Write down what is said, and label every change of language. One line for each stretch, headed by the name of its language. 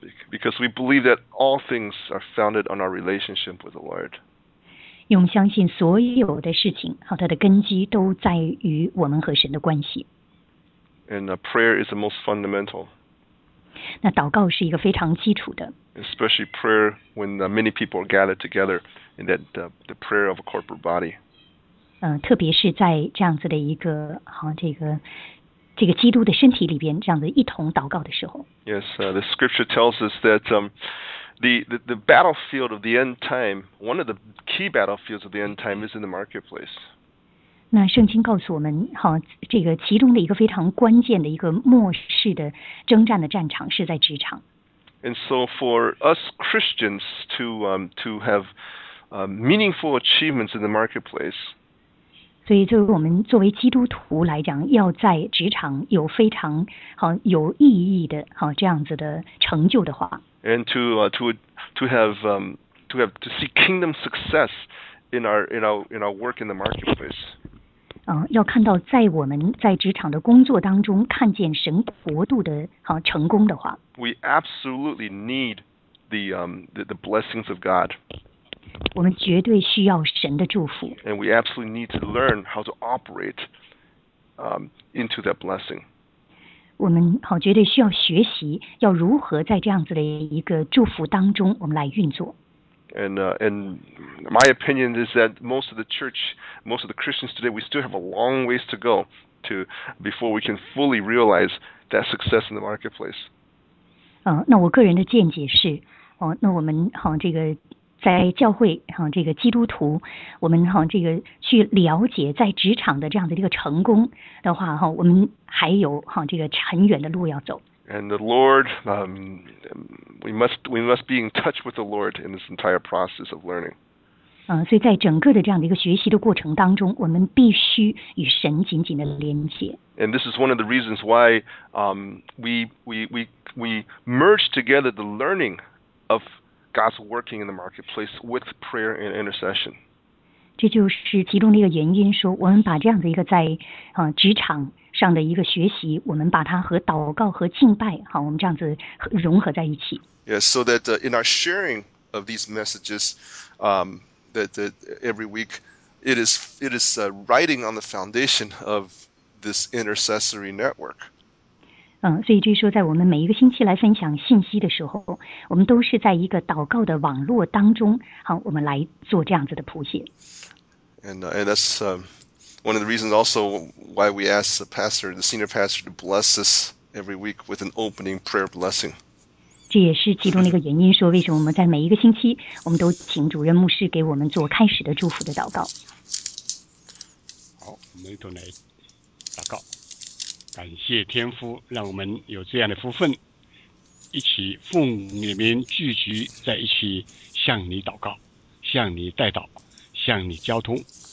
English: Because we believe that all things are founded on our relationship with the Lord.
Chinese: 用相信所有的事情，它的根基都在于我们和神的关系。
English: And prayer is the most fundamental.
Chinese: 那祷告是一个非常基础的。
English: Especially prayer when many people are gathered together in that the prayer of a corporate body.
Chinese: 特别是在这样子的一个这个基督的身体里边，这样子一同祷告的时候。
English: Yes, the scripture tells us that the battlefield of the end time, one of the key battlefields of the end time is in the marketplace.
Chinese: 那圣经告诉我们，这个其中的一个非常关键的一个末世的征战的战场是在职场。
English: And so for us Christians to have meaningful achievements in the marketplace.
Chinese: 所以作为我们作为基督徒来讲，要在职场有非常有意义的这样子的成就的话。
English: And to see kingdom success in our work in the marketplace.
Chinese: 要看到在我们在职场的工作当中看见神国度的成功的话。
English: We absolutely need the blessings of God.
Chinese: 我们绝对需要神的祝福。
English: And we absolutely need to learn how to operate into that blessing.
Chinese: 我们绝对需要学习要如何在这样子的一个祝福当中我们来运作。
English: And my opinion is that most of the Christians today, we still have a long ways to go to before we can fully realize that success in the marketplace.
Chinese: 那我个人的见解是，那我们这个在教会这个基督徒，我们这个去了解在职场的这样的一个成功的话我们还有这个很远的路要走。
English: And the Lord, we must be in touch with the Lord in this entire process of learning.
Chinese: 所以在整个的这样的一个学习的过程当中，我们必须与神紧紧的连接。
English: And this is one of the reasons why we merge together the learning of God's working in the marketplace with prayer and intercession.
Chinese: 这就是其中的一个原因，说我们把这样的一个在职场。上的一个学习，我们把它和祷告和敬拜，我们这样子融合在一起。
English: Yes, so that in our sharing of these messages, that every week, it is writing on the foundation of this intercessory network.
Chinese: 所以就是说，在我们每一个星期来分享信息的时候，我们都是在一个祷告的网络当中，我们来做这样子的谱写。
English: And that's one of the reasons also why we ask the pastor, the senior pastor, to bless us every week with an opening prayer blessing.
Chinese: 这也是其中的一个原因，说为什么我们在每一个星期，我们都请主任牧师给我们做开始的祝福的祷告。好，我们一同来祷告，感谢天父，让我们有这样的福分，一起奉你名聚集在一起，向你祷告，向你代祷，向你交通。